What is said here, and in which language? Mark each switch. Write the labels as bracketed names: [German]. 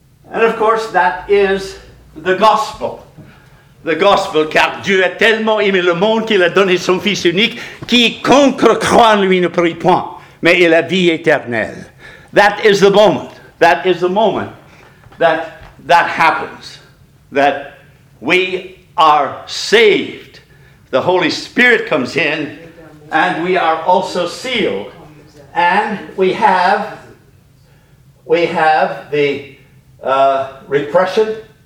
[English] And of course, that is the gospel. [French] The gospel, car Dieu a tellement aimé le monde qu'il a donné son Fils unique, quiconque croit en lui ne périt point, mais il a vie éternelle. [English] That is the moment. That is the moment that that happens. That we are saved. The Holy Spirit comes in, and we are also sealed. And we have the repression.